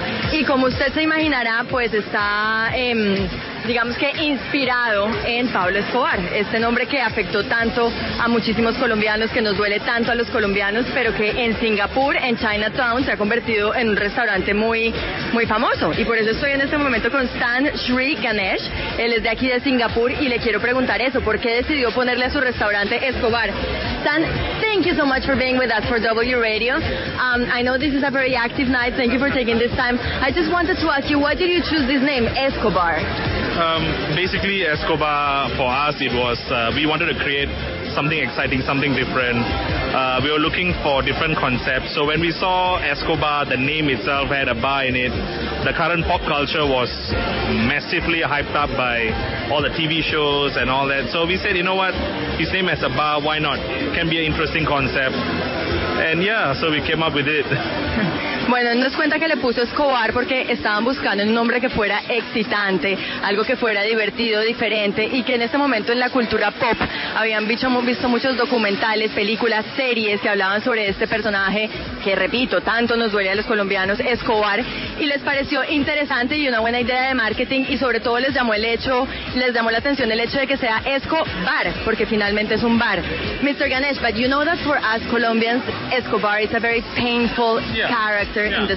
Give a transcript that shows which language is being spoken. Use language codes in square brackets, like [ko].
[es] Y como usted se imaginará, pues está, digamos que inspirado en Pablo Escobar, este nombre que afectó tanto a muchísimos colombianos, que nos duele tanto a los colombianos, pero que en Singapur, en Chinatown, se ha convertido en un restaurante muy, muy famoso. Y por eso estoy en este momento con Stan Sri Ganesh, él es de aquí de Singapur, y le quiero preguntar eso, ¿por qué decidió ponerle a su restaurante Escobar? [en] Stan, thank you so much for being with us for W Radio. I know this is a very active night, thank you for taking this time. I just wanted to ask you, why did you choose this name, Escobar? Basically, Escobar, for us, it was, we wanted to create something exciting, something different. We were looking for different concepts. So when we saw Escobar, the name itself had a bar in it. The current pop culture was massively hyped up by all the TV shows and all that. So we said, you know what, his name has a bar, why not? It can be an interesting concept. And yeah, so we came up with it. [es] Bueno, nos cuenta que le puso Escobar porque estaban buscando un nombre que fuera excitante, algo que fuera divertido, diferente, y que en este momento en la cultura pop habían visto muchos documentales, películas, series que hablaban sobre este personaje que, repito, tanto nos duele a los colombianos, Escobar, y les pareció interesante y una buena idea de marketing, y sobre todo les llamó la atención el hecho de que sea Escobar, porque finalmente es un bar. [en] Mr. Ganesh, but you know that for us Colombians, Escobar is a very painful character.